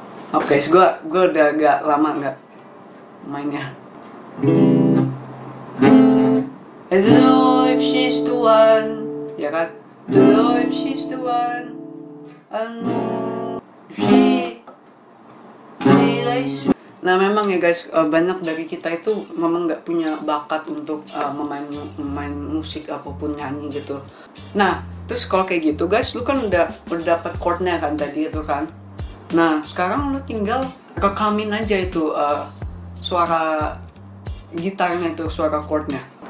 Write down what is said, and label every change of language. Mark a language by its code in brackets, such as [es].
[id] Oke guys, gue udah agak lama nggak mainnya. [en] I don't know if she's the one, [id] ya kan? [en] I don't know if she's the one, I don't know if she likes me. [id] Nah, memang ya guys, banyak dari kita itu memang nggak punya bakat untuk memain musik apapun, nyanyi gitu. Nah, terus kalau kayak gitu guys, lu kan udah dapet chordnya kan tadi itu kan. Nah, sekarang lu tinggal rekamin aja itu suara gitarnya itu, suara chordnya.